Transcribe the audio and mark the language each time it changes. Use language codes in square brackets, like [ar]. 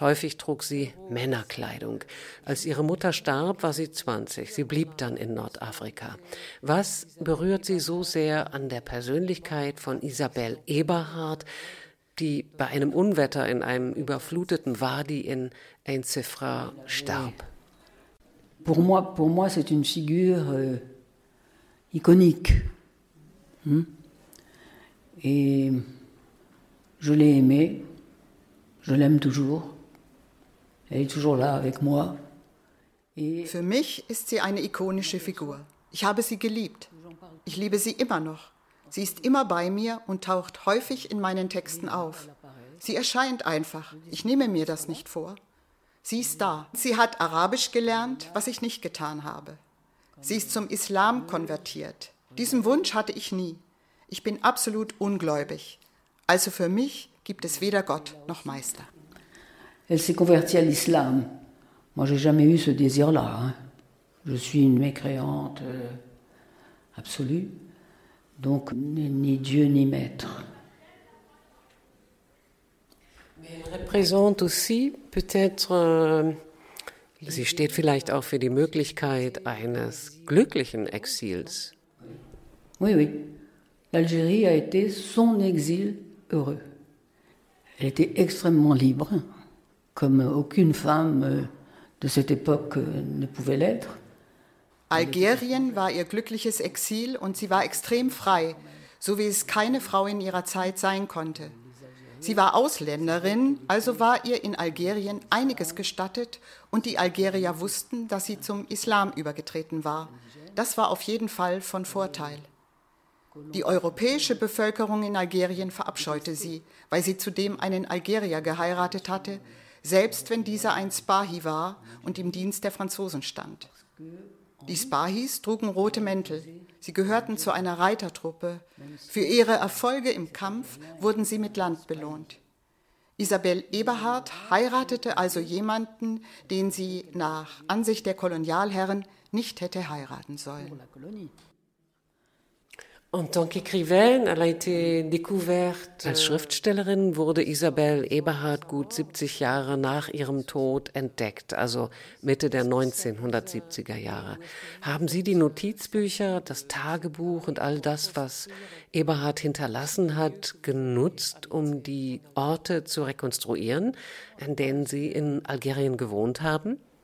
[de] Häufig trug sie Männerkleidung. Als ihre Mutter starb, war sie 20. Sie blieb dann in Nordafrika. Was berührt sie so sehr an der Persönlichkeit von Isabelle Eberhard, die bei einem Unwetter in einem überfluteten Wadi in Ain-Sefra starb? [fr] Pour moi, c'est une figure iconique. Et je l'ai aimée, je l'aime toujours. Elle est toujours là avec moi. [de] Für mich ist sie eine ikonische Figur. Ich habe sie geliebt. Ich liebe sie immer noch. Sie ist immer bei mir und taucht häufig in meinen Texten auf. Sie erscheint einfach. Ich nehme mir das nicht vor. Sie ist da. Sie hat Arabisch gelernt, was ich nicht getan habe. Sie ist zum Islam konvertiert. Diesen Wunsch hatte ich nie. Ich bin absolut ungläubig. Also für mich gibt es weder Gott noch Meister. [fr] Elle s'est convertie à l'islam. Moi, j'ai jamais eu ce désir-là. Je suis une mécréante absolue. Donc, ni Dieu ni maître. Mais elle représente aussi peut-être. [de] Sie steht vielleicht auch für die Möglichkeit eines glücklichen Exils. [fr] Oui, oui. L'Algérie a été son exil heureux. Elle était extrêmement libre, comme aucune femme de cette époque ne pouvait l'être. [de] Algerien war ihr glückliches Exil und sie war extrem frei, so wie es keine Frau in ihrer Zeit sein konnte. Sie war Ausländerin, also war ihr in Algerien einiges gestattet und die Algerier wussten, dass sie zum Islam übergetreten war. Das war auf jeden Fall von Vorteil. Die europäische Bevölkerung in Algerien verabscheute sie, weil sie zudem einen Algerier geheiratet hatte, selbst wenn dieser ein Spahi war und im Dienst der Franzosen stand. Die Spahis trugen rote Mäntel. Sie gehörten zu einer Reitertruppe. Für ihre Erfolge im Kampf wurden sie mit Land belohnt. Isabelle Eberhard heiratete also jemanden, den sie nach Ansicht der Kolonialherren nicht hätte heiraten sollen. [fr] En tant qu'écrivaine, elle a été découverte. [de] Als Schriftstellerin wurde Isabelle Eberhard gut 70 Jahre nach ihrem Tod entdeckt, also Mitte der 1970er Jahre. Haben Sie die Notizbücher, das Tagebuch und all das, was Eberhard hinterlassen hat, genutzt, um die Orte zu rekonstruieren, an denen Sie in Algerien gewohnt haben?